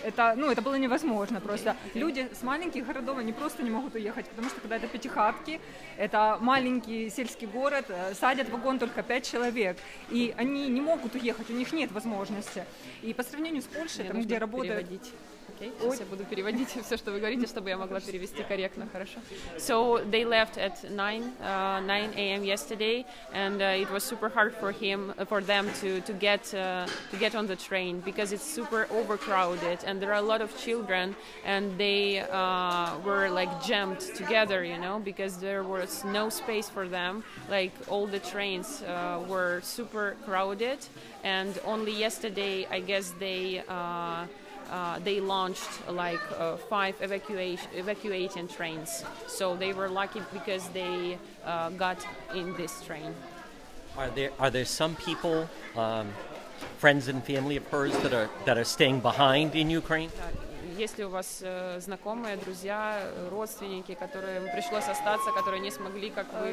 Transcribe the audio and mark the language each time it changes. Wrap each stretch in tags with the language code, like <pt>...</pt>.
<ru>Это было невозможно просто. Люди с маленьких городов, они просто не могут уехать, потому что когда это пятихатки, это маленький сельский город, садят вагон только 5 человек, и они не могут уехать, у них нет возможности. И по сравнению с Польшей, там, где работают... Okay, сейчас я буду переводить все, что вы говорите, чтобы я могла перевести корректно, хорошо?</ru> <en>So they left at 9 a.m. yesterday, and it was super hard for him, for them to get on the train because it's super overcrowded and there are a lot of children and they were like jammed together, you know, because there was no space for them. Like all the trains were super crowded, and only yesterday, I guess they launched like five evacuating trains. So they were lucky because they got in this train. Are there some people, friends and family of hers that are staying behind in Ukraine?</en> <ru>Если у вас знакомые, друзья, родственники, которым пришлось остаться, которые не смогли, как вы?</ru>